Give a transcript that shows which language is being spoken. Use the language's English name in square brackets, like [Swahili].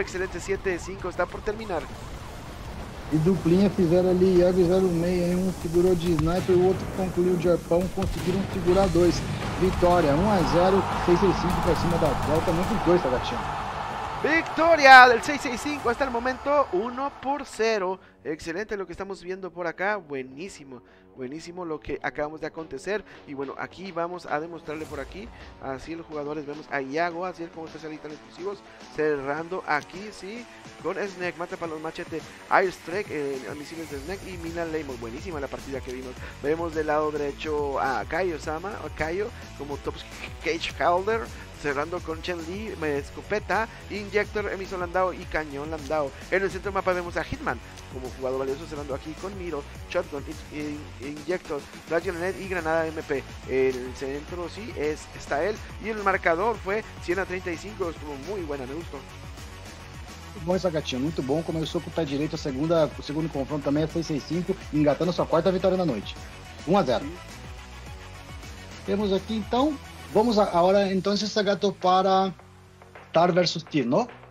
[Spanish] Excelente, 7-5. Está por terminar. [Portuguese] E duplinha fizeram ali, Iago e 06, um figurou de sniper, o outro concluiu de arpão, conseguiram figurar dois. Vitória, 1-0, 665 para cima da Delta, muito dois, Sagatinho. [Spanish] Victoria del 665, hasta el momento 1-0. Excelente lo que estamos viendo por acá, buenísimo. Buenísimo lo que acabamos de acontecer. Y bueno, aquí vamos a demostrarle por aquí. Así los jugadores, vemos a Iago, así es como especialista en exclusivos. Cerrando aquí, sí, con Snake, mata para los machete, Ice Strike, misiles de Snake y Mina Lamo. Buenísima la partida que vimos. Vemos del lado derecho a Kaio Sama, a Kaio como top cage holder. Cerrando con Chen Li, escopeta, Injector, emisor Landau y cañón Landau. En el centro del mapa vemos a Hitman como jugador valioso, cerrando aquí con Miro, Shotgun, Injector, Flash Grenade y Granada MP. En el centro sí está él y el marcador fue 100-35, estuvo muy buena, me gustó. [Portuguese] Muito bom, Sagatinho, muito bom. Começou com o pé direito, o segundo confronto também é 665, engatando sua quarta vitória da noite. 1-0. Temos aqui então. Vamos agora então, esse gato, para Tar versus Tir, não?